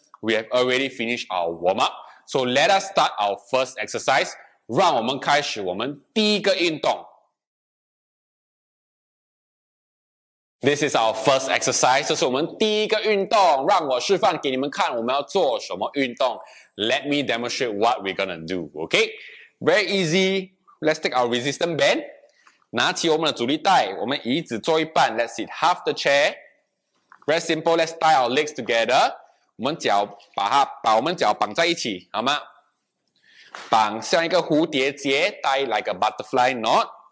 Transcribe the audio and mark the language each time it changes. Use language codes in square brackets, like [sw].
[en] We have already finished our warm up. So let us start our first exercise. [zh] 让我们开始我们第一个运动。 [en] This is our first exercise. [zh] 这是我们第一个运动。让我示范给你们看我们要做什么运动。 [en] Let me demonstrate what we're gonna do, okay? Very easy. Let's take our resistance band. [zh] 拿起我们的阻力带，我们椅子坐一半。 [en] Let's sit half the chair. Very simple. Let's tie our legs together. [zh] 我们脚把我们脚绑在一起，好吗？绑像一个蝴蝶结 [en] ，tie like a butterfly knot.